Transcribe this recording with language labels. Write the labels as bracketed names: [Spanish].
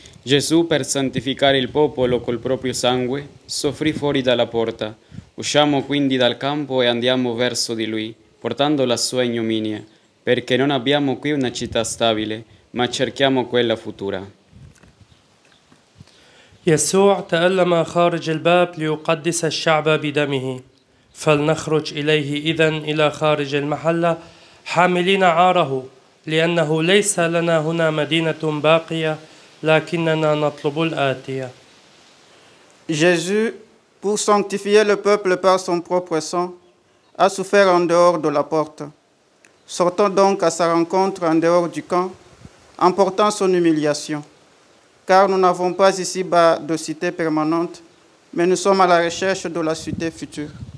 [Italian] Gesù, per santificare il popolo col proprio sangue, soffrì fuori dalla porta. Usciamo quindi dal campo e andiamo verso di Lui, portando la Sua ignominia, perché non abbiamo qui una città stabile, ma cerchiamo quella futura. [Arabic] Gesù تألم خارج الباب ليقدس الشعب بدمه. فلنخرج إليه إذن إلى خارج المحلة حاملين عاره لأنه ليس لنا هنا مدينة باقية لكننا نطلب الآتية. [French] Jésus, pour sanctifier le peuple par son propre sang, a souffert en dehors de la porte. Sortons donc à sa rencontre en dehors du camp, en portant son humiliation. Car nous n'avons pas ici-bas de cité permanente, mais nous sommes à la recherche de la cité future.